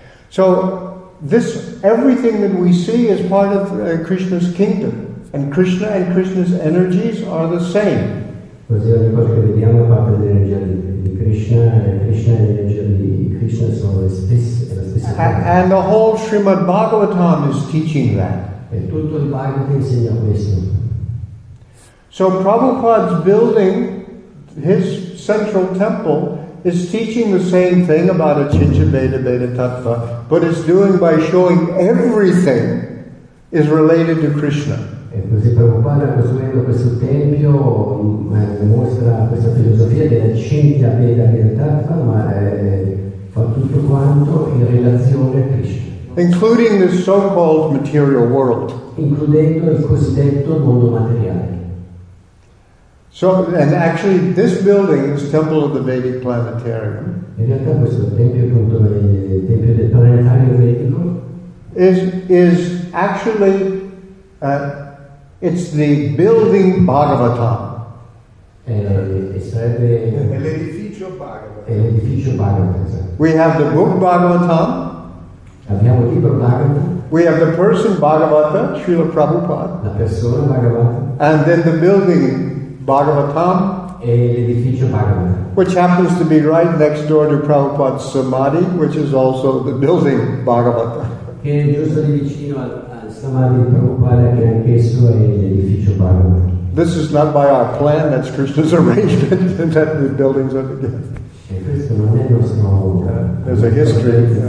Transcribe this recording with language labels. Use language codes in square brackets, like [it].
[en] So this, everything that we see is part of Krishna's kingdom, and Krishna and Krishna's energies are the same. [it] Così ogni cosa che vediamo è parte dell'energia di Krishna, e Krishna e l'energia di Krishna sono le stesse. [en] And the whole Srimad Bhagavatam is teaching that. [it] E tutto il Bhagavatam insegna questo. [en] So Prabhupada's building, his central temple, is teaching the same thing about Achincha Beda Beda Tattva, but it's doing by showing everything is related to Krishna. [it] E così Prabhupada costruendo questo tempio mostra questa filosofia della Cinta Veda Vedatta, ma fa tutto quanto in relazione a Krishna. [en] Including this so-called material world. [it] Includendo il cosiddetto mondo materiale. [en] So, and actually this building is Temple of the Vedic Planetarium. [it] In realtà questo tempio, appunto, è il tempio del planetario vedico. [en] Is actually it's the building Bhagavatam. [it] È l'edificio Bhagavatam. [en] We have the book Bhagavatam. [it] Abbiamo il libro Bhagavatam. [en] We have the person Bhagavata, Srila Prabhupada. [it] La persona Bhagavata. [en] And then the building Bhagavatam. [it] E l'edificio Bhagavatam. [en] Which happens to be right next door to Prabhupada's Samadhi, which is also the building Bhagavatam. [it] Che è giusto lì vicino Samadhi Prabhupada, che anch'esso è l'edificio Bhagavatam. [en] This is not by our plan, that's Krishna's arrangement that the buildings are together. There's a history.